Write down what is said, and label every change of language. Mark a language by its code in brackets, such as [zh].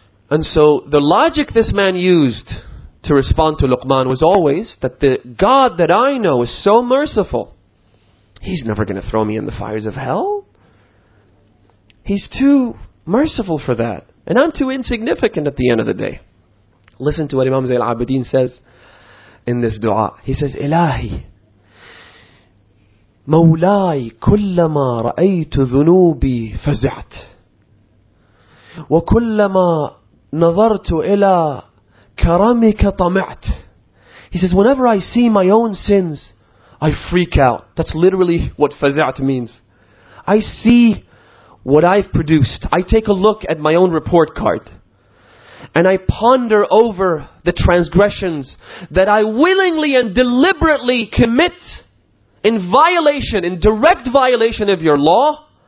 [en] And so the logic this man used to respond to Luqman was always that the God that I know is so merciful, He's never going to throw me in the fires of hell. He's too merciful for that. And I'm too insignificant at the end of the day. Listen to what Imam Zayl al-Abidin says in this dua. He says, Ilahi, [ar] مولاي كلما رأيت ذنوبي فزعت وكلما نظرت إلى كرمك طمعت. [en] He says, whenever I see my own sins, I freak out. That's literally what فزعت means. I see what I've produced. I take a look at my own report card and I ponder over the transgressions that I willingly and deliberately commit in violation, in direct violation of your law,